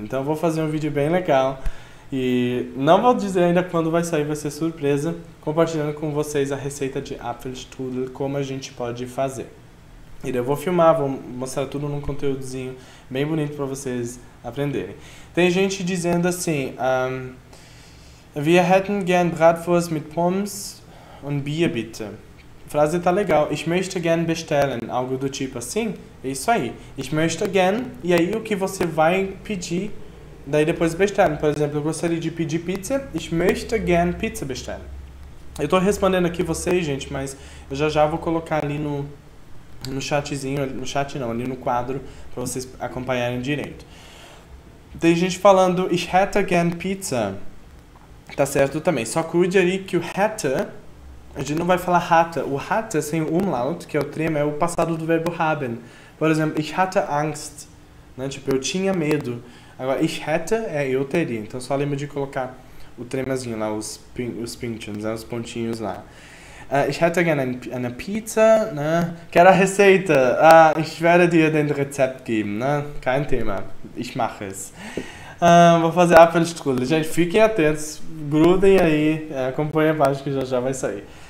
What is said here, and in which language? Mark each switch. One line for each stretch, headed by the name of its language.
Portuguese: Então eu vou fazer um vídeo bem legal e não vou dizer ainda quando vai sair, vai ser surpresa, compartilhando com vocês a receita de Apfelstrudel, como a gente pode fazer. E daí eu vou filmar, vou mostrar tudo num conteúdozinho bem bonito para vocês aprenderem. Tem gente dizendo assim:
German: Wir hätten gern Bratwurst mit Pommes und Bier, bitte.
Portuguese: Frase tá legal.
German: Ich möchte gern bestellen.
Portuguese: Algo do tipo assim. É isso aí.
German: Ich möchte gern.
Portuguese: E aí o que você vai pedir. Daí depois bestellen. Por exemplo, eu gostaria de pedir pizza.
German: Ich möchte gern pizza bestellen.
Portuguese: Eu tô respondendo aqui vocês, gente, mas eu já vou colocar ali no chatzinho. No chat não, ali no quadro. Pra vocês acompanharem direito. Tem gente falando
German: Ich hätte gern pizza.
Portuguese: Tá certo também. Só cuide ali que o hätte. A gente não vai falar hatte. O hatte sem umlaut, que é o trema, é o passado do verbo haben. Por exemplo,
German: ich hatte Angst.
Portuguese: Né? Tipo, eu tinha medo. Agora,
German: ich hätte
Portuguese: é eu teria. Então só lembra de colocar o tremazinho lá, os pinchons, né? Os pontinhos lá.
German: Ich hätte gerne eine Pizza. Né?
Portuguese: Quero a receita.
German: Ich werde dir den Rezept geben. Né? Kein Thema. Ich mache es.
Portuguese: Vou fazer a Apfelstrudel. Gente, fiquem atentos. Grudem aí. Acompanhem a página que já já vai sair.